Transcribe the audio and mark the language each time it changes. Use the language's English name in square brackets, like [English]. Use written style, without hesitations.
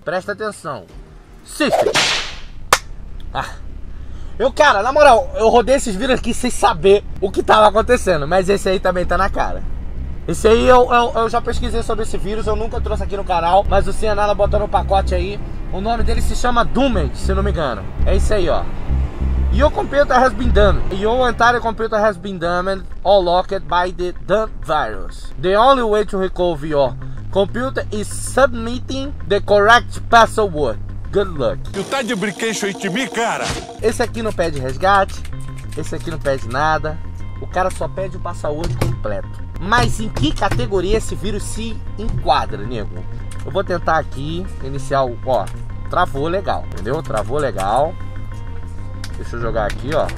[Portuguese] Presta atenção. System. Ah. Eu, cara, na moral, eu rodei esses vírus aqui sem saber o que tava acontecendo. Mas esse aí também tá na cara. Esse aí eu já pesquisei sobre esse vírus, eu nunca trouxe aqui no canal, mas o Cianala botou no pacote aí. O nome dele se chama Doomed, se não me engano. É isso aí, ó. [English] Your computer has been damaged. Your entire computer has been damaged or locked by the damn virus. The only way to recover your computer is submitting the correct password. Good luck. [Portuguese] Tu tá de brincadeira aí de mim, cara? Esse aqui não pede resgate, esse aqui não pede nada. O cara só pede o password completo. Mas em que categoria esse vírus se enquadra, nego? Eu vou tentar aqui, iniciar o... Ó, travou legal, entendeu? Travou legal. Deixa eu jogar aqui, ó.